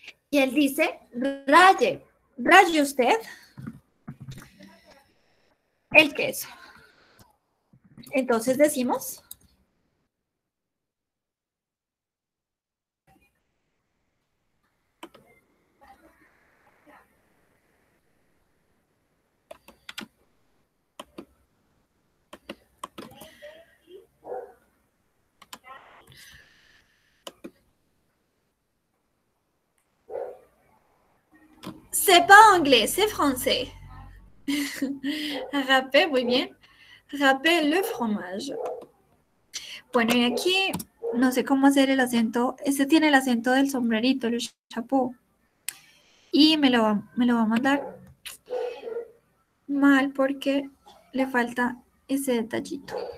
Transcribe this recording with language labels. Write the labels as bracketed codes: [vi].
[es] Y él dice, raye usted el queso. Entonces decimos, [fr] c'est pas anglais, c'est français. [es] Râpe, muy bien. [fr] Râpe le fromage. [es] Bueno, y aquí No sé cómo hacer el acento. Este tiene el acento del sombrerito, el chapó. Y me lo va a mandar mal porque le falta ese detallito.